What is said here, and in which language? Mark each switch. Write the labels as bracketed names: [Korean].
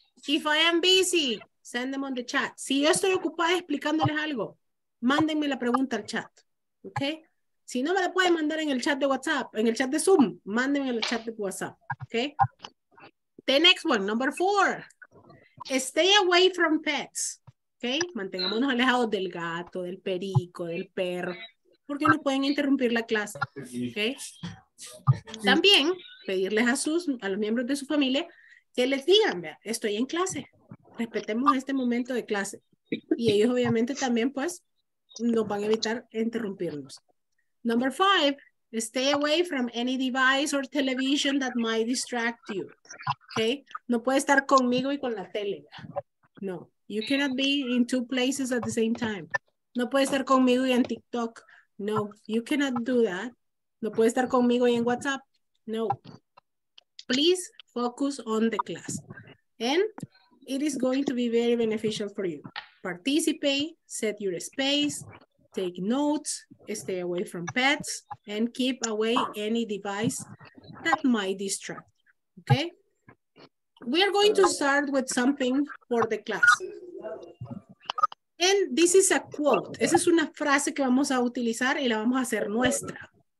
[English] If I am busy, send them on the chat. [Spanish] Si yo estoy ocupada explicándoles algo, mándenme la pregunta al chat. Okay? Si no me la pueden mandar en el chat de WhatsApp, en el chat de Zoom, mándenme el chat de WhatsApp. Okay? [English] The next one, number four. Stay away from pets, okay? [Spanish] Mantengámonos alejados del gato, del perico, del perro, porque no pueden interrumpir la clase, okay? También pedirles a los miembros de su familia que les digan, vea, estoy en clase, respetemos este momento de clase. Y ellos obviamente también, pues, nos van a evitar interrumpirnos. [English] Number five, stay away from any device or television that might distract you. Okay? [Spanish] No puede estar conmigo y con la tele. No. [English] You cannot be in two places at the same time. [Spanish] No puede estar conmigo y en TikTok. No. [English] You cannot do that. [Spanish] No puede estar conmigo y en WhatsApp. No. [English] Please focus on the class. And it is going to be very beneficial for you. Participate, set your space, take notes, stay away from pets, and keep away any device that might distract. Okay? We are going to start with something for the class. And this is a quote. [Spanish] Esa es una frase que vamos a utilizar y la vamos a hacer nuestra.